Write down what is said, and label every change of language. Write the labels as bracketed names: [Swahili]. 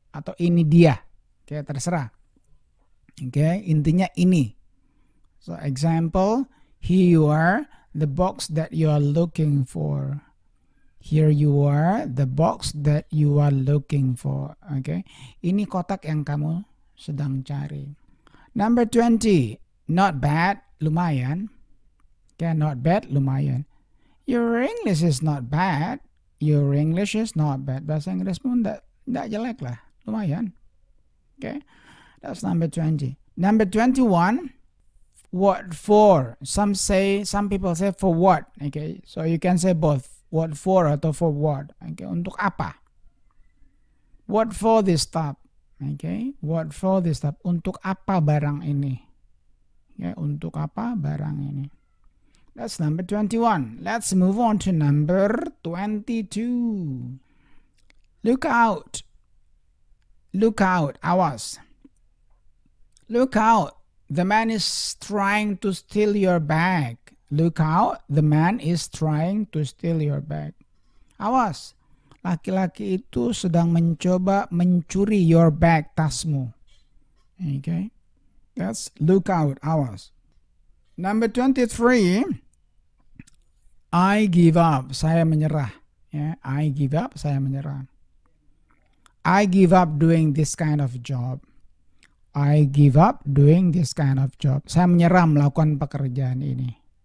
[Indonesian] Atau ini dia, okay, terserah. Okay, intinya ini. [English] So, example, here you are, the box that you are looking for. Here you are, the box that you are looking for. [Indonesian] Okay, ini kotak yang kamu sedang cari. [English] Number 20, not bad, [Indonesian] lumayan. [English] Okay, not bad, lumayan. Your English is not bad. Your English is not bad. [Indonesian] Bahasa Inggris pun tidak jelek lah. [English] Lumayan. Okay. That's number 20. Number 21. What for? Some people say for what. Okay. So you can say both. What for [Indonesian] atau [English] for what. Okay. [Indonesian] Untuk apa? [English] What for this stuff? Okay. What for this stuff? [Indonesian] Untuk apa barang ini? Okay. Untuk apa barang ini? [English] That's number 21. Let's move on to number 22. Look out. Look out. [Indonesian] Awas. [English] Look out. The man is trying to steal your bag. Look out. The man is trying to steal your bag. Awas. [Indonesian] Laki-laki itu sedang mencoba mencuri [English] your bag, [Indonesian] tasmu. [English] Okay. That's look out. [Indonesian] Awas. [English] Number 23. I give up, [Indonesian] saya menyerah. [English] Yeah, I give up, saya menyerah. I give up doing this kind of job. I give up doing this kind of job. [Indonesian] Saya menyerah melakukan pekerjaan ini.